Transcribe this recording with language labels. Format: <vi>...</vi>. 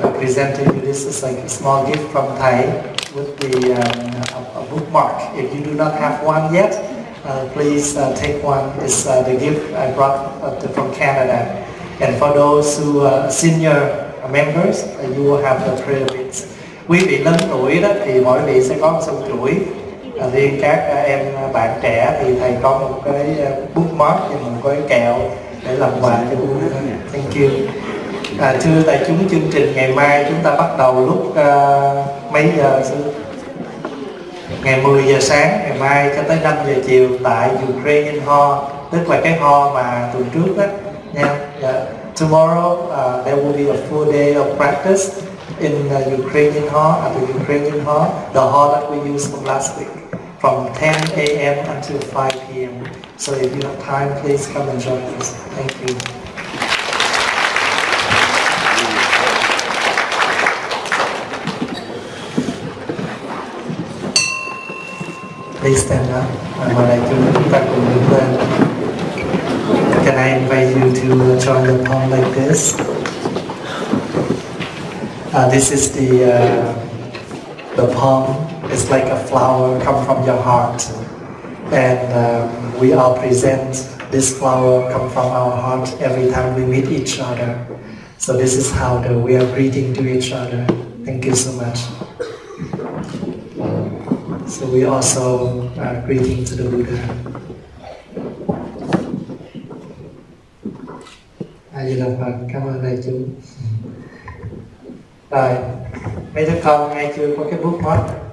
<en>Small gift from Thày with the a bookmark. If you do not have one yet, please take one. It's the gift I brought from Canada. And for those who are senior members, you will have the prayer beads.</en> <vi>Quý vị lớn tuổi đó thì mỗi vị sẽ có một sổ chuỗi. Riêng các em bạn trẻ thì Thày có một cái bookmark và một cái kẹo để làm quà cho cô hết.</vi> <en>Thank you.</en> <vi>À, thưa đại chúng, chương trình ngày mai chúng ta bắt đầu lúc mấy giờ sư? Ngày 10 giờ sáng ngày mai cho tới 5 giờ chiều tại Ukraine Hall, tức là cái hall mà tuần trước đó nha.</vi> <en>Yeah. Tomorrow there will be a full day of practice in the Ukrainian hall, at the Ukrainian hall, the hall that we used from last week, from 10 a.m. until 5 p.m. So if you have time, please come and join us. Thank you. Please stand up. I'm gonna do it back on the plan. Can I invite you to join the hall like this? This is the palm. It's like a flower come from your heart, and we all present this flower come from our heart every time we meet each other. So this is how we are greeting to each other. Thank you so much. So we also are greeting to the Buddha.</en> <vi>A Di Đà Phật, cảm ơn đại chúng. Rồi, mấy đứa con nghe chưa có cái bút mất?</vi>